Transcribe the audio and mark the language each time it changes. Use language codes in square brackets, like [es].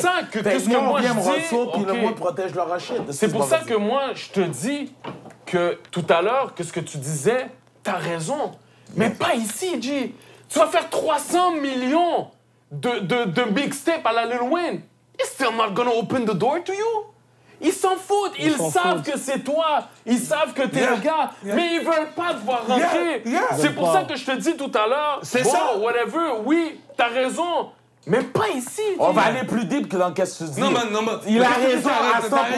[fr] C'est pour ça que tout ce que moi, je dis... Puis le monde protège leur achat. C'est pour ça que moi, je te dis que tout à l'heure, que ce que tu disais, t'as raison. Mais pas ici, G. Tu vas faire 300 millions de Big Step à la Lil Wayne. [en] It's still not gonna open the door to you. [fr] Ils s'en foutent, ils savent que c'est toi, ils savent que t'es le gars, mais ils veulent pas te voir rentrer. C'est pour ça que je te dis tout à l'heure, whatever, oui, t'as raison, mais pas ici. On va aller plus deep que dans qu'est-ce que tu dis. Non, mais... Il a raison à 100%.